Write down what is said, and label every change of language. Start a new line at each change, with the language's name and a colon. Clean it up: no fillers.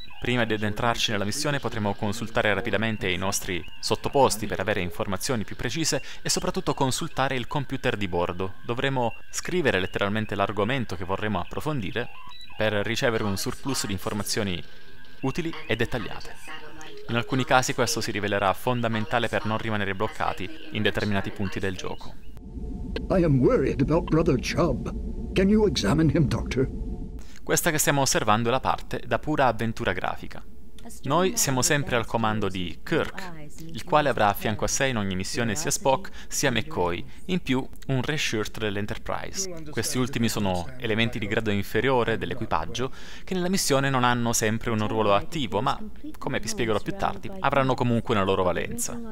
Italian: Prima di addentrarci nella missione potremo consultare rapidamente i nostri sottoposti per avere informazioni più precise e soprattutto consultare il computer di bordo. Dovremo scrivere letteralmente l'argomento che vorremmo approfondire per ricevere un surplus di informazioni utili e dettagliate. In alcuni casi questo si rivelerà fondamentale per non rimanere bloccati in determinati punti del gioco.
English: I am worried about Brother Chubb. Can you examine him, Doctor?
Italian: Questa che stiamo osservando è la parte da pura avventura grafica. Noi siamo sempre al comando di Kirk, il quale avrà a fianco a sé in ogni missione sia Spock sia McCoy, in più un reshirt dell'Enterprise. Questi ultimi sono elementi di grado inferiore dell'equipaggio che nella missione non hanno sempre un ruolo attivo, ma, come vi spiegherò più tardi, avranno comunque una loro valenza.